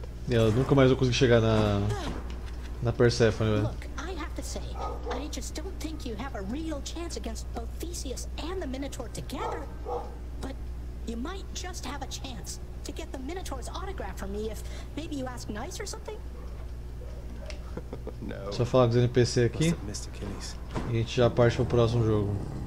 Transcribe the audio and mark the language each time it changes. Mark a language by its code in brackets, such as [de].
[pt] Eu nunca mais vou conseguir chegar na Persephone, velho. [en] say. I just don't think you have a real chance against both Theseus and the Minotaur together. But you might just have a chance to get the Minotaur's autograph from me if maybe you ask nice or something. [pt] Só falar com os NPC aqui e a gente já parte pro próximo jogo.